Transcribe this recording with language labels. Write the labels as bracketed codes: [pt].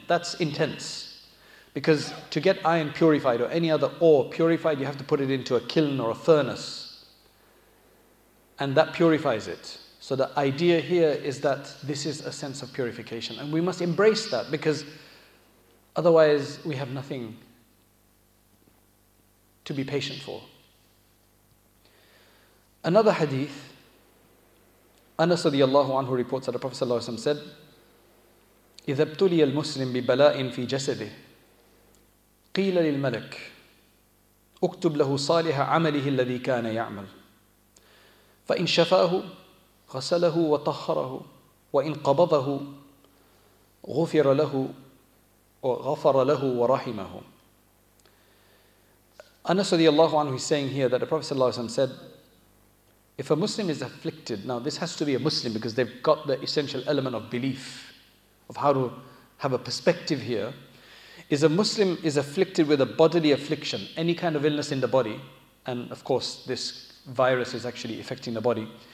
[en] That's intense. Because to get iron purified or any other ore purified, you have to put it into a kiln or a furnace. And that purifies it. So the idea here is that this is a sense of purification. And we must embrace that, because otherwise we have nothing to be patient for. Another hadith, Anas radiallahu anhu reports that the Prophet sallallahu alaihi wasallam said, [ar] إذا ابتلي المسلم ببلاء في جسده قيل للملك اكتب له صالح عمله الذي كان يعمل فإن شفاه غسله وطهره وإن قبضه غفر له وغفر له ورحمه. [en] Anas radiallahu anhu is saying here that the Prophet sallallahu alaihi wasallam said, if a Muslim is afflicted, now this has to be a Muslim because they've got the essential element of belief, of how to have a perspective here, is a Muslim is afflicted with a bodily affliction, any kind of illness in the body, and of course this virus is actually affecting the body,